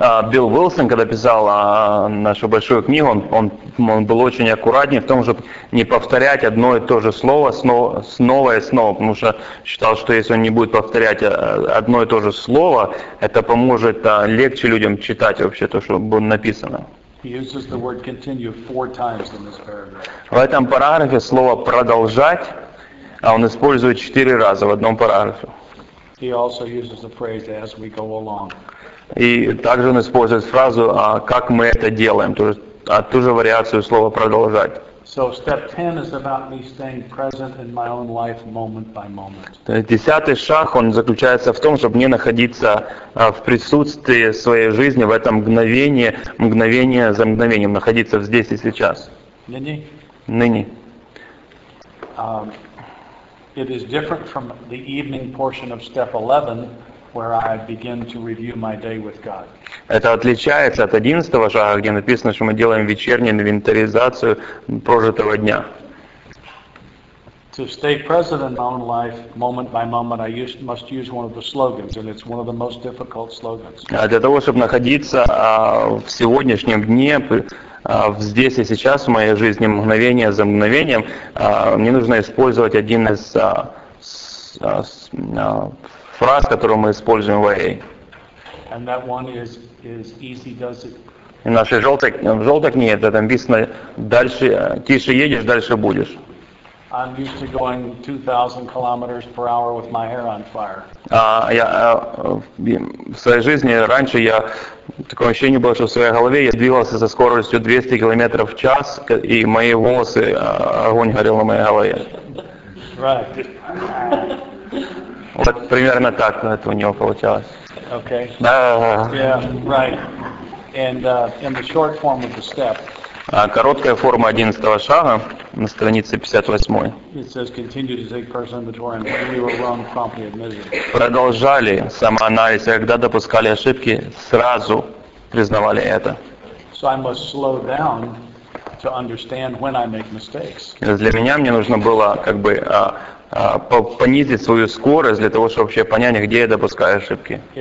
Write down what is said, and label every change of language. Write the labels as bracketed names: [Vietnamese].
[Russian] Bill Wilson, когда писал нашу большую книгу, он был очень аккуратнее в том, чтобы не повторять одно и то же слово снова и снова, потому что считал, что если он не будет повторять одно и то же слово, это поможет легче людям читать вообще то, что было написано. [English] He uses the word continue four times in this paragraph. [Russian] В этом параграфе слово продолжать, а он использует четыре раза в одном параграфе. [English] He also uses the phrase as we go along. [Russian] И также он использует фразу а как мы это делаем, ту же вариацию слова продолжать. [English] So step 10 is about me staying present in my own life moment by moment. [Russian] Десятый шаг, он заключается в том, чтобы мне находиться в присутствии своей жизни в это мгновение, мгновение за мгновением, находиться здесь и сейчас. Ныне. [English] It is different from the evening portion of step 11, where I begin to review my day with God. [Russian] Это отличается от 11-го шага, где написано, что мы делаем вечернюю инвентаризацию прожитого дня. [English] To stay present in my own life, moment by moment, I must use one of the slogans, and it's one of the most difficult slogans. [Russian] Для того, чтобы находиться в сегодняшнем дне, здесь и сейчас в моей жизни, мгновение за мгновением, мне нужно использовать один из фраз, которую мы используем в AA. [English] And that one is easy does it. [Russian] И в нашей желтой книге это написано дальше, тише едешь, дальше будешь. [English] I'm used to going 2000 kilometers per hour with my hair on fire. [Russian] В своей жизни раньше я такое ощущение было, что в своей голове я двигался со скоростью 200 километров в час, и мои волосы, огонь горел на моей голове. [English] Right. [Russian] Вот примерно так это у него получалось. [English] Okay. Yeah, right. And in the short form of the step. [Russian] Короткая форма 11-го шага на странице 58. [English] It says continue to take personal inventory and when we were wrong, promptly admitted it. [Russian] Продолжали самоанализ, когда допускали ошибки, сразу признавали это. [English] So I must slow down to understand when I make mistakes. [Russian] Для меня мне нужно было как бы понизить свою скорость для того, чтобы вообще понять, где я допускаю ошибки.